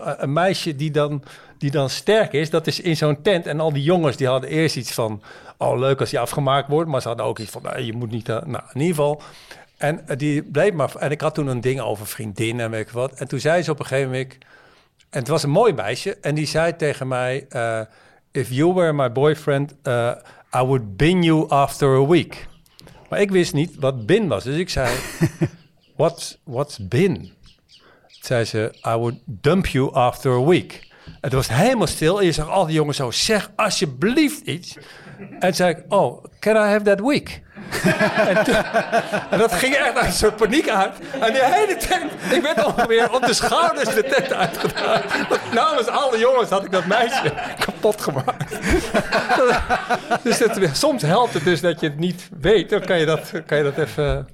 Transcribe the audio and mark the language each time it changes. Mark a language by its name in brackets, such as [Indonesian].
[Dutch] Een meisje die dan sterk is, dat is in zo'n tent. En al die jongens die hadden eerst iets van, oh leuk als die afgemaakt wordt. Maar ze hadden ook iets van, nou, je moet niet, nou in ieder geval. En die bleef maar, en ik had toen een ding over vriendinnen en weet ik wat. En toen zei ze op een gegeven moment, en het was een mooi meisje. En die zei tegen mij, [English] if you were my boyfriend, I would bin you after a week. [Dutch] Maar ik wist niet wat bin was, dus ik zei... [English] What's bin? [Dutch] Zei ze, [English] I would dump you after a week. [Dutch] En het was helemaal stil. En je zag al die jongens zo, zeg alsjeblieft iets. En zei ik, [English] oh, can I have that week? [Dutch] en dat ging echt uit een soort paniek uit. En die hele tent, ik werd ongeveer op de schouders de tent uitgedaan. Namens alle jongens had ik dat meisje kapot gemaakt. Dus dat, soms helpt het dus dat je het niet weet. Dan kan je dat even...